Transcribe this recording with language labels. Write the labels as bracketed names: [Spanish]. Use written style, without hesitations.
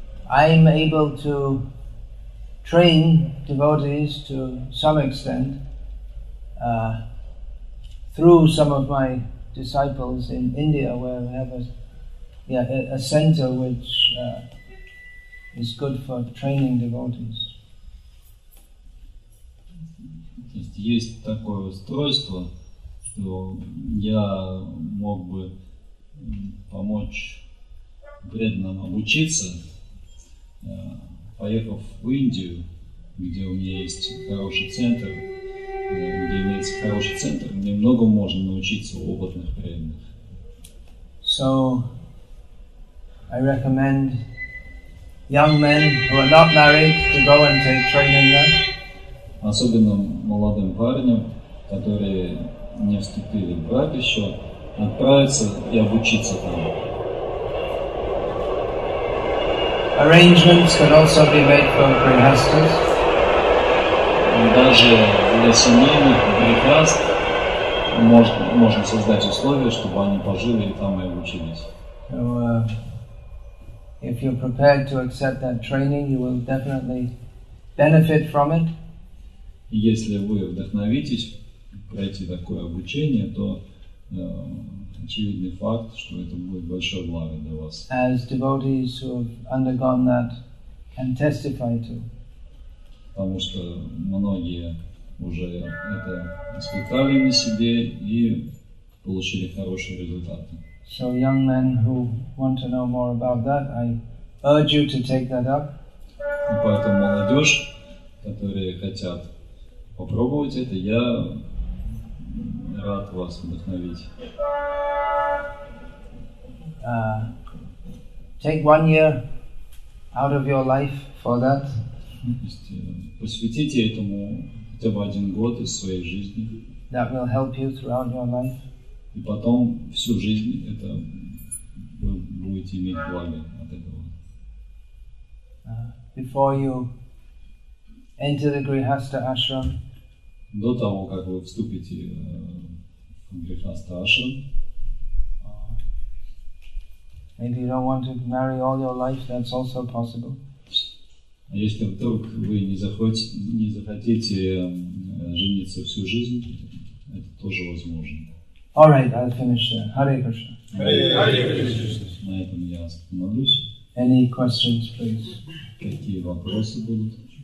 [English] I'm able to train devotees to some extent through some of my disciples in India, where we have a center which is good for training devotees. [Russian] Есть такое устройство. То я мог бы помочь преданным обучиться, поехав в Индию, где у меня есть хороший центр, где имеется хороший центр, где много можно научиться у опытных преданных. [English] So, I recommend young men who are not married to go and take training there. [Russian] Особенно молодым парням, которые не вступили в брак еще, отправиться и обучиться там. [English] Arrangements can also be made for grihasthas. [Russian] Даже для семейных грихаст можно создать условия, чтобы они пожили и там и обучились. [English] So, if you're prepared to accept that training, you will definitely benefit from it. [Russian] Если вы вдохновитесь пройти такое обучение, то очевидный факт, что это будет большое благо для вас. [English] As devotees who have undergone that can testify to. [Russian] Потому что многие уже это испытали на себе и получили хорошие результаты. [English] So young men who want to know more about that, I urge you to take that up. [Russian] И поэтому молодежь, которые хотят попробовать это, я рад вас вдохновить. [English] Take 1 year out of your life for that. [Russian] Посвятите этому хотя бы 1 год из своей жизни. [English] That will help you throughout your life. [Russian] И потом всю жизнь это вы будете иметь благо от этого. [English] Before you enter the Grihastha ashram. [Russian] До того, как вы вступите в грехастхашрам. [English] Maybe you don't want to marry all your life, that's also possible. [Russian] А если вдруг вы не захотите жениться всю жизнь, это тоже возможно. [English] All right, I'll finish there. Hare Krishna. Hare Krishna. [Russian] На этом я остановлюсь. [English] Any questions, please? [Russian] Какие вопросы будут?